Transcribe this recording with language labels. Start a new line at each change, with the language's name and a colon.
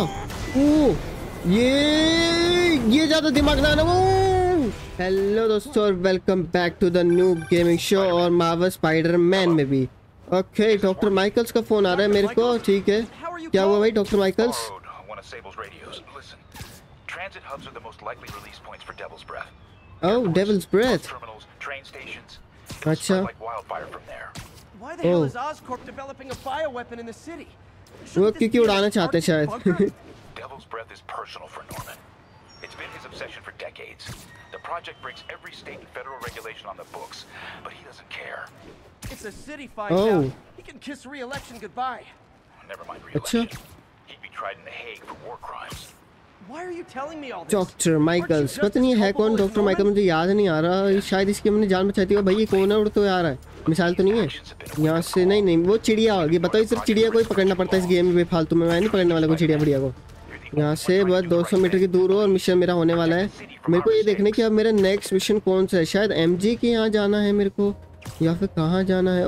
Hindi: ओ ये ज्यादा दिमाग ना ना।
English: hello दोस्तों, welcome back to the new gaming show और Marvel Spiderman
Hindi: में भी। ओके डॉक्टर माइकल्स का फोन आ रहा है मेरे को, ठीक है क्या हुआ भाई doctor Michaels?
English: Transit hubs are the most likely release points for Devil's Breath. Oh, Devil's Breath. Terminals, train stations. Acha. Like wildfire from there. Why the hell is Oscorp developing a fire weapon in the city? Shouldn't this be
Hindi: udana chahte shayad.
English: Devil's Breath is personal for Norman. It's been his obsession for decades. The project breaks every state and federal regulation on the books, but he doesn't care. If the city finds out, he can kiss re-election goodbye. Never mind re-election. Acha. He'd be tried in The Hague for war crimes. Why are you telling me all this?
Hindi: Doctor Michaels, पता नहीं है कौन doctor Michael, मुझे याद नहीं आ रहा, शायद इसकी मैंने जान बचाई थी। भाई ये कौन है, उड़ तो आ रहा है, मिसाइल तो नहीं है यहाँ से? नहीं नहीं वो चिड़िया होगी, बताओ सिर्फ चिड़िया को ही पकड़ना पड़ता है इस गेम में बेफालतू में, मैं नहीं पकड़ने वाला कोई चिड़िया बढ़िया को। यहाँ से बस 200 मीटर की दूर हो और मिशन मेरा होने वाला है, मेरे को ये देखने की अब मेरा नेक्स्ट मिशन कौन सा है, शायद MG के यहाँ जाना है मेरे को या फिर कहाँ जाना है।